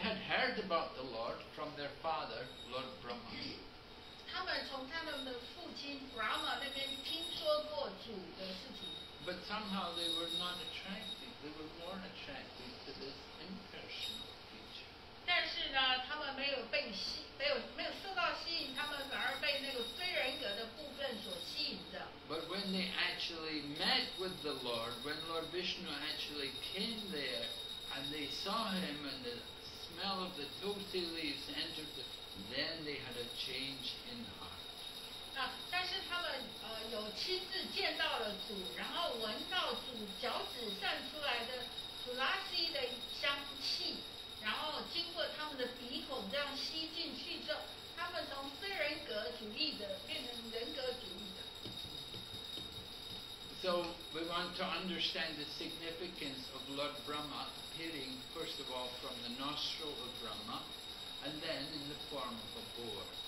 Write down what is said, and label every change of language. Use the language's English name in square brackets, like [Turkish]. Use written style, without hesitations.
[English] had heard about the Lord from their father, Lord Brahma. [Chinese] 他们从他们的父亲 Brahma 那边听说过主的事情。But [English] somehow they were not attracted. They were more attracted to this impersonal feature. [Chinese] 但是呢，他们没有受到吸引，他们反而被那个非人格的部分所吸引着。But [English] when they actually met with the Lord, when Lord Vishnu actually came there, and they saw him and the smell of the tulsi leaves entered, then they had a change in heart. [Chinese] 但是他们有亲自见到了主，然后闻到主脚趾散出来的土拉西的香气，然后经过他们的鼻孔这样吸进去之后，他们从非人格主义的变成人格主义的。 [English] So we want to understand the significance of Lord Brahma appearing first of all from the nostril of Brahma, and then in the form of a boar.